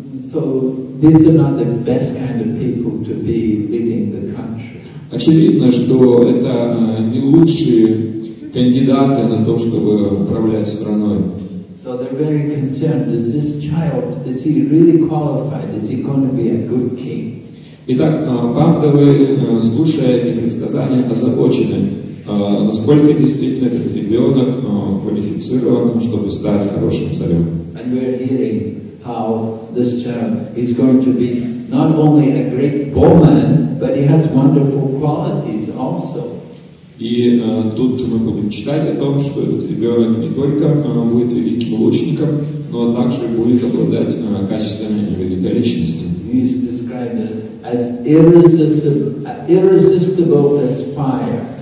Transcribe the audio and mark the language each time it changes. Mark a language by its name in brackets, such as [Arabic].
[English] So, these are not the best kind of people to be leading the country. [Russian] Очевидно, что это не лучшие кандидаты на то, чтобы управлять страной. [English] So they're very concerned, is this child, is he really qualified, is he going to be a good king? [Russian] Итак, пандавы, слушая эти предсказания, озабочены, насколько действительно этот ребенок квалифицирован, чтобы стать хорошим царем. [English] And we're hearing how this child is going to be not only a great bowman, but he has wonderful qualities also. [Russian] И тут мы будем читать о том, что этот ребенок не только будет великим лучником, но также будет обладать качествами великой личности. [English] He is described as irresistible as fire.